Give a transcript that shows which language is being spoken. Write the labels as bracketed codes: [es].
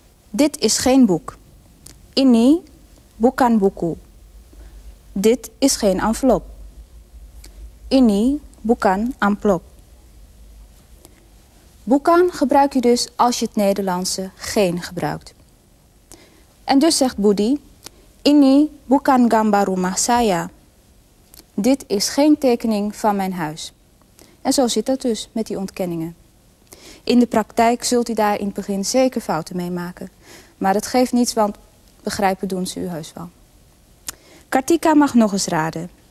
[nl] Dit is geen boek. [id] Ini bukan buku. [nl] Dit is geen envelop. [id] Ini bukan amplop. [nl] Bukan gebruik je dus als je het Nederlandse geen gebruikt. En dus zegt Boody, [id] ini bukan gambar rumah saya. [nl] Dit is geen tekening van mijn huis. En zo zit dat dus met die ontkenningen. In de praktijk zult u daar in het begin zeker fouten mee maken. Maar dat geeft niets, want begrijpen doen ze u heus wel. Kartika mag nog eens raden.